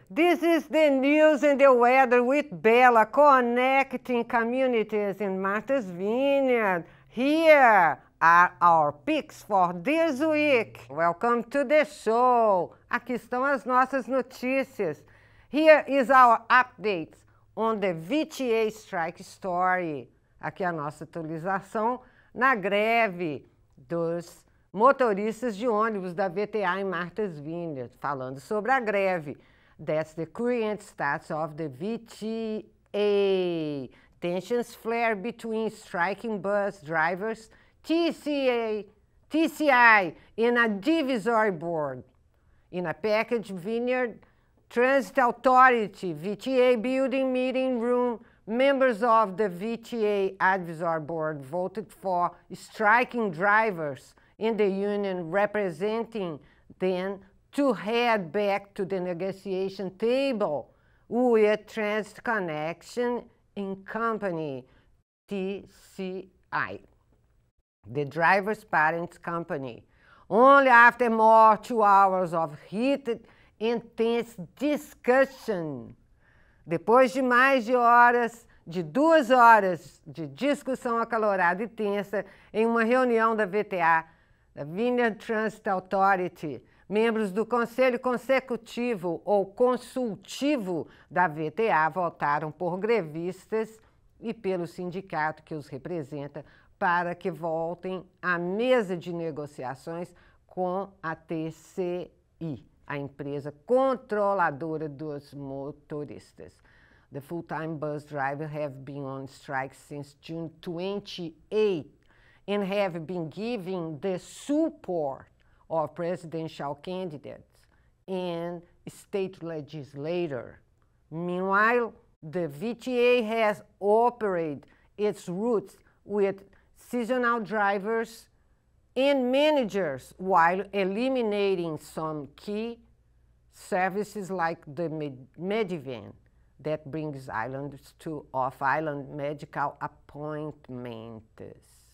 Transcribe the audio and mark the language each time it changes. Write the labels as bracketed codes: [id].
[en] This is the news and the weather with Bella, connecting communities in Martha's Vineyard. Here are our picks for this week. Welcome to the show. [pt] Aqui estão as nossas notícias. [en] Here is our update on the VTA strike story. [pt] Aqui a nossa atualização na greve dos motoristas de ônibus da VTA em Martha's Vineyard, falando sobre a greve. [en] That's the current status of the VTA. Tensions flare between striking bus drivers, TCI, and a divisory board. In a package, Vineyard Transit Authority, VTA building meeting room, members of the VTA advisory board voted for striking drivers in the union representing them to head back to the negotiation table with Transit Connection and Company, TCI, the driver's parents' company. Only after more 2 hours of heated, intense discussion, [pt] depois de mais de horas, de 2 horas de discussão acalorada e tensa em uma reunião da VTA, da Vineyard Transit Authority, membros do Conselho Consecutivo ou Consultivo da VTA votaram por grevistas e pelo sindicato que os representa para que voltem à mesa de negociações com a TCI, a empresa controladora dos motoristas. [en] The full-time bus drivers have been on strike since June 28th. And have been giving the support of presidential candidates and state legislators. Meanwhile, the VTA has operated its routes with seasonal drivers and managers while eliminating some key services like the Medivan that brings islanders to off-island medical appointments.